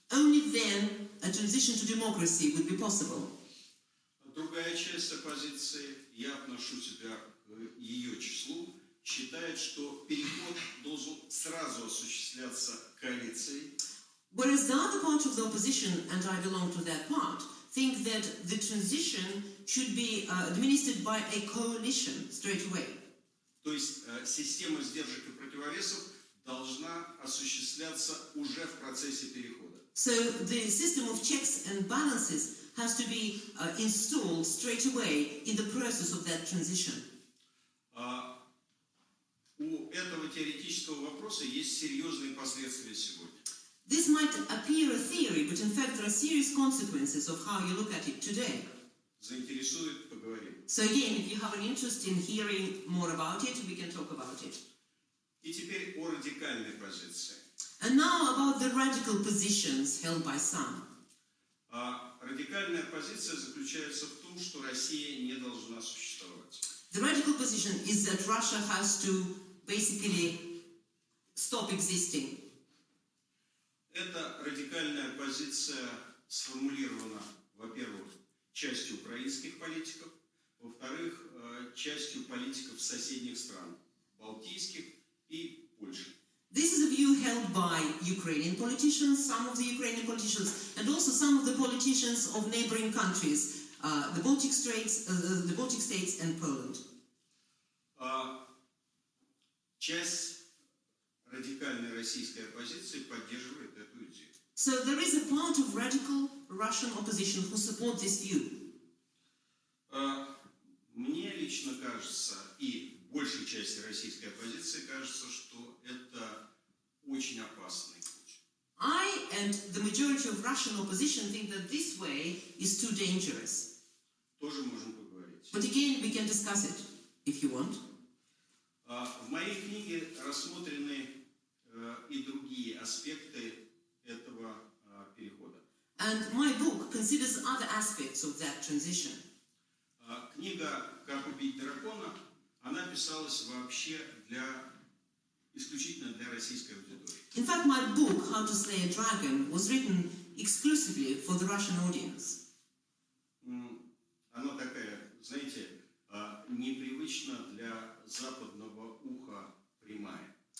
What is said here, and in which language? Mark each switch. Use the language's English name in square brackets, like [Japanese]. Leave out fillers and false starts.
[English] Only then a transition to democracy would be possible. [Russian] Другая часть оппозиции, я отношу себя к ее числу, считает, что переход должен сразу осуществляться коалицией. [English] Whereas the other part of the opposition, and I belong to that part, think that the transition should be administered by a coalition straight away. [Russian] То есть система сдержек и противовесов должна осуществляться уже в процессе перехода. [English] So the system of checks and balances has to be installed straight away in the process of that transition. [Russian] У этого теоретического вопроса есть серьезные последствия сегодня. [English] This might appear a theory, but in fact there are serious consequences of how you look at it today. [Russian] Заинтересует, поговорим. [English] So again, if you have an interest in hearing more about it, we can talk about it. [Russian] И теперь о радикальной позиции. [English] And now about the radical positions held by some. [Russian] Радикальная позиция заключается в том, что Россия не должна существовать. [English] The radical position is that Russia has to basically stop existing. [Russian] Эта радикальная позиция сформулирована, во-первых, частью украинских политиков, во-вторых, частью политиков соседних стран, балтийских и Польши. [English] This is a view held by Ukrainian politicians, some of the Ukrainian politicians, and also some of the politicians of neighboring countries, the Baltic states, the Baltic states and Poland. [Russian] Часть радикальной российской оппозиции поддерживает это. [English] So there is a part of radical Russian opposition who support this view. [Russian] Мне лично кажется, и большей части российской оппозиции кажется, что это очень опасный путь. [English] I and the majority of Russian opposition think that this way is too dangerous. [Russian] Тоже можем поговорить. [English] But again, we can discuss it, if you want. [Russian] В моей книге рассмотрены и другие аспекты этого перехода. [English] And my book considers other aspects of that transition. [Russian] Книга «Как убить дракона», она писалась вообще для исключительно для российской аудитории. [English] In fact, my book «How to Slay a Dragon» was written exclusively for the Russian audience. [Russian] Она такая, знаете, непривычно для западного уха прямая.